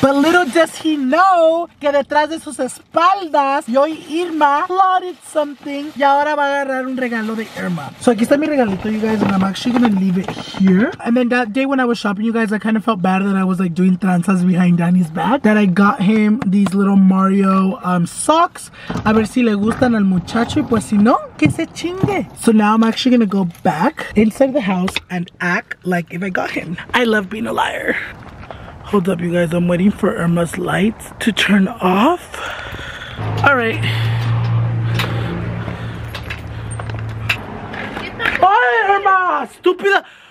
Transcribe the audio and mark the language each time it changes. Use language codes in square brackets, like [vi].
[en] But little does he know [es] que detrás de sus espaldas, yo y Irma [en] plotted something. [es] Y ahora va a agarrar un regalo de Irma. [en] So [es] aquí está mi regalito, [en] you guys, and I'm actually gonna leave it here. And then that day when I was shopping, you guys, I kind of felt bad that I was like doing [es] tranzas [en] behind Dani's back. That I got him these little Mario socks. [es] A ver si le gustan al muchacho y pues si no, que se chingue. [en] So now I'm actually gonna go back inside the house and act like if I got him. I love being a liar. Hold up, you guys, I'm waiting for Irma's lights to turn off. All right. Bye, Irma, stupida.